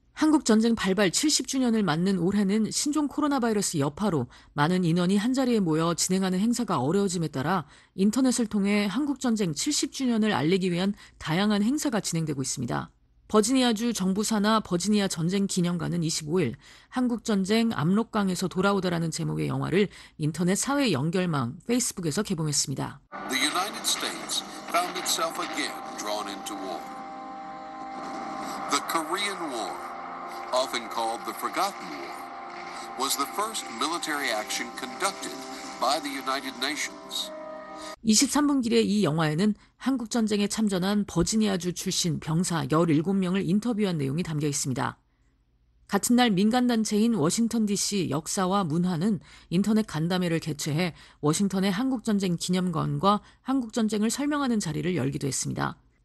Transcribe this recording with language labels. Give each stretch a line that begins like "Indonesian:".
Korean: 한국전쟁 발발 70주년을 맞는 올해는 신종 코로나 바이러스 여파로 많은 인원이 한자리에 모여 진행하는 행사가 어려워짐에 따라 인터넷을 통해 한국전쟁 70주년을 알리기 위한 다양한 행사가 진행되고 있습니다. 버지니아주 정부 산하 버지니아 전쟁 기념관은 25일 한국전쟁 압록강에서 돌아오다라는 제목의 영화를 인터넷 사회 연결망 페이스북에서 개봉했습니다.
English: The United States found itself again drawn into war. The Korean War, often called the Forgotten War, was the first military action conducted by the United Nations.
Korean: 23분기에 이 영화에는 한국전쟁에 참전한 버지니아주 출신 병사 17명을 인터뷰한 내용이 담겨 있습니다. 같은 날 민간단체인 워싱턴 DC 역사와 문화는 인터넷 간담회를 개최해 워싱턴의 한국전쟁 기념관과 한국전쟁을 설명하는 자리를 열기도 했습니다.